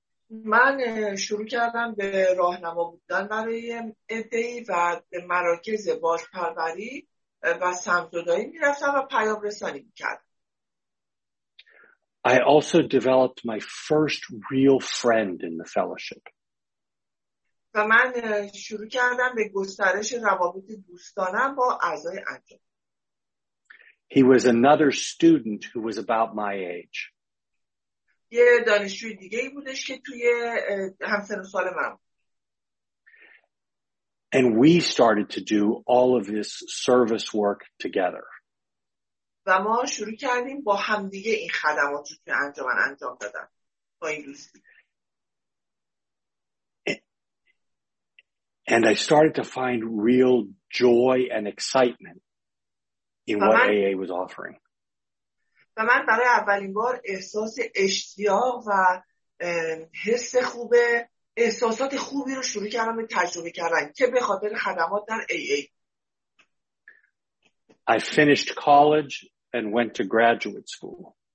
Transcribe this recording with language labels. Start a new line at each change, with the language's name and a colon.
Persian: من شروع کردم به راهنما بودن برای عده ای و به مراکز بازپروری و سمزدائی می رفتم و پیام رسانی می کردم.
English: I also developed my first real friend in the fellowship.
Persian: و من شروع کردم به گسترش روابط دوستانم با اعضای انجمن.
English: He was another student who was about my age.
Persian: یه دانشجوی دیگه ای بودش که توی همسن و سال من.
English: And we started to do all of this service work together.
Persian: و ما شروع کردیم با هم دیگه این خدمات رو که انجام دادن با این دوستی.
English: And I started to find real joy and excitement in what AA was offering.
Persian: و من برای اولین بار احساس اشتیاق و حس خوبه احساسات خوبی رو شروع کردم به تجربه کردن که به خاطر خدمات در AA.
English: I finished college and went to graduate school.